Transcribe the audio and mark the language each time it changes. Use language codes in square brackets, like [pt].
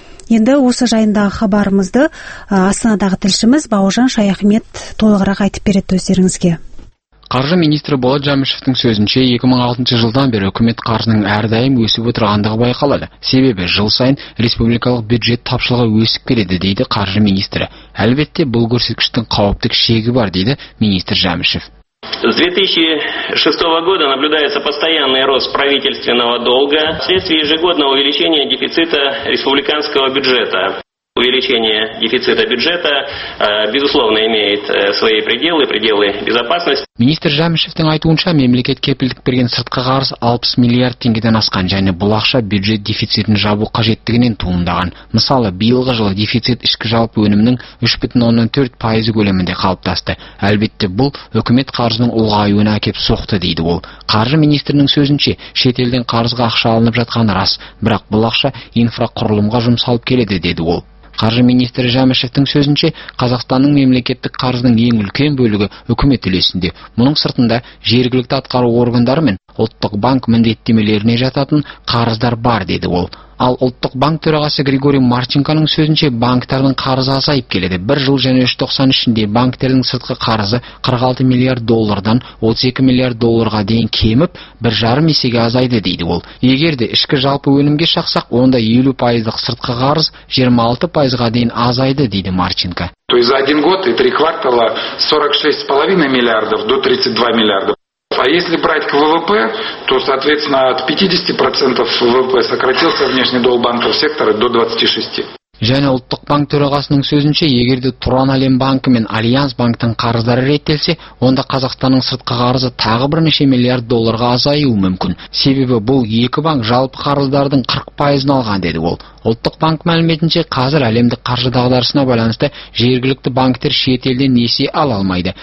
[kk] Енді осы жайындағы хабарымызды Астанадағы тілшіміз Бауыржан Шаяхмет толығырақ айтып береді өздеріңізге. Қаржы министрі Болат Жамышевтің сөзінше, 2006 жылдан бері үкімет қаржының әрдайым өсіп отырғандығы байқалады. Себебі жыл сайын республикалық бюджет тапшылығы өсіп келеді, дейді қаржы министрі. Әлбетте, бұл көрсеткіштің қауіпті шегі бар, дейді министр Жамышев. [ru] С 2006 года наблюдается постоянный рост правительственного долга вследствие ежегодного увеличения дефицита республиканского бюджета. Увеличение дефицита бюджета, безусловно, имеет свои пределы, пределы безопасности. [kk] Министр Жамышевтің айтуынша, мемлекет кепілдік берген сыртқы қарыз 60 миллиард теңгеден асқан, және бұл ақша бюджет дефицитін жабу қажеттігінен туындаған. Мысалы, биылғы жылы дефицит ішкі жалпы өнімнің 3.14% көлемінде қалыптасты. Әлбетте, бұл үкімет қарызының ұлғаюына әкеп соқты, дейді ол. Қаржы министрінің сөзінше, шетелден қарызға ақша алынып жатқаны рас, бірақ бұл ақша инфрақұрылымға жұмсалып келеді, деді ол. Қаржы министрі Жамышевтің сөзінше, Қазақстанның мемлекеттік қарызының ең үлкен бөлігі үкімет үлесінде. Мұның сыртында жергілікті атқару органдары мен Ұлттық банк міндеттемелеріне жататын қарыздар бар, деді ол. Ал Ұлттық банк төрағасы Григорий Марченконың сөзінше, банктардың қарызы азайып келеді. Бір жыл және 3.90 ішінде банктердің сыртқы қарызы 46 миллиард доллардан 32 миллиард долларға дейін кеміп, 1.5 есеге азайды, дейді ол. Егер де ішкі жалпы өнімге шақсақ, онда 50%-дық сыртқы қарыз 26%-ға дейін азайды, дейді Марченко. [ru] То есть за один год и три квартала 46,5 миллиардов до 32 миллиардов. А если брать к ВВП, то, соответственно, от 50% ВВП сократился внешний долг банков сектора до 26%. [kk] Және Ұлттық банк төрағасының сөзінше, егерде Тұран Әлем банкі мен Альянс банктың қарыздары реттелсе, онда Қазақстанның сыртқы қарызы тағы бірнеше миллиард долларға азаюы мүмкін. Себебі бұл екі банк жалпы қарыздардың 40%-ын алған, деді ол. Ұлттық банк мәліметінше, қазір әлемдік қаржы дағдарысына байланысты жергілікті банктер шетелден несие ала алмайды.